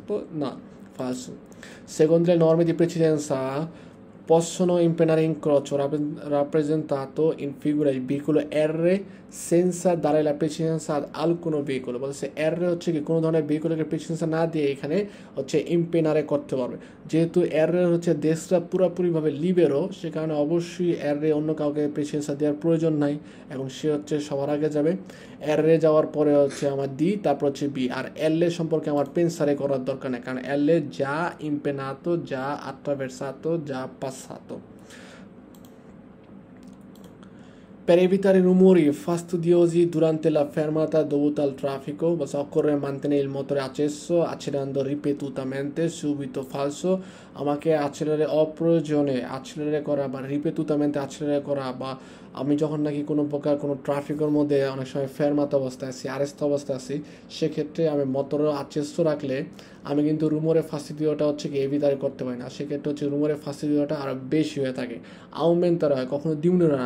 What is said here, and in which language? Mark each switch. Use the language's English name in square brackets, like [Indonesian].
[Bangla] তো না first secondly নর্মে the প্রেসিডেন্সা [Italian] possono impennare in croce rappresentato in figura il veicolo R senza dare la precedenza ad alcun veicolo, [Bangla] se R হচ্ছে কি কোনো ধরনের vehicle কে precedence না দিয়ে এখানে হচ্ছে ইম্পেনারে করতে পারবে, যেহেতু R হচ্ছে দেশটা পুরোপুরিভাবে লিবেরো সে কারণে অবশ্যই R অন্য কাউকে প্রেসিডেন্স দেওয়ার প্রয়োজন নাই এবং সে হচ্ছে সবার আগে যাবে। R যাওয়ার পরে হচ্ছে আমার D তারপর হচ্ছে B, আর L সম্পর্কে আমার পেন্সারে করার দরকার নেই কারণ L যা ইম্পেনাতো যা আট্রাভার্সাতো যা পাসাতো। [Italian] Per evitare rumori fastidiosi durante la fermata dovuta al traffico, occorre mantenere il motore acceso, accelerando ripetutamente, subito falso. [Bangla] আমাকে আচ্ছেলারে অপ্রয়োজনে আচ্ছেলারে করা বা রিপিটুতামেন্টে আচ্ছেলারে করা বা আমি যখন নাকি কোনো প্রকার কোনো ট্রাফিকের মধ্যে অনেক সময় ফেরমাত অবস্থায় আসি আরেস্ত অবস্থায় আসি, সেক্ষেত্রে আমি মোটর আচ্ছেস্য রাখলে আমি কিন্তু রুমোরে ফাঁসি দেওয়াটা হচ্ছে কি এভিদারে করতে পারি না, সেক্ষেত্রে হচ্ছে রুমোরে ফাঁসি দেওয়াটা আরও বেশি হয়ে থাকে, আউমেন্তার হয় কখনো দিউনে না।